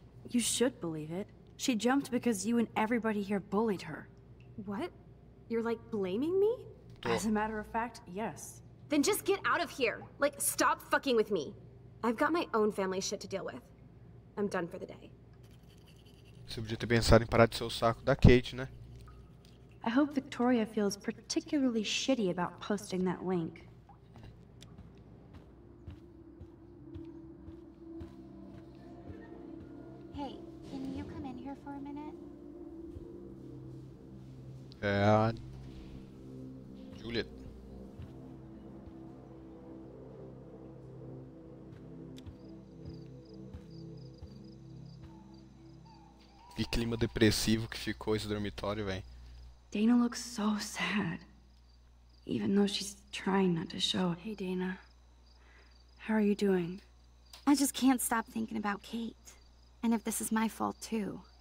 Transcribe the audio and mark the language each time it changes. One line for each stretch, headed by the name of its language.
English: You should believe it. She jumped because you and everybody here bullied her. What? You're like blaming me? As a matter of fact, yes. Then just get out of here. Like, stop fucking with me. I've got my own family shit to deal with. I'm done for the day.
Portuguese: Você podia ter pensado em parar de ser o saco da Kate, né?
English: I hope Victoria feels particularly shitty about posting that link. Hey, can you come in here for a minute?
Portuguese: É a Juliet. Que clima depressivo que ficou esse dormitório, velho.
English: Dana looks so sad. Even though she's trying not to show. Hey, Dana. How are you doing? I just can't stop thinking about Kate. And if this is my fault too.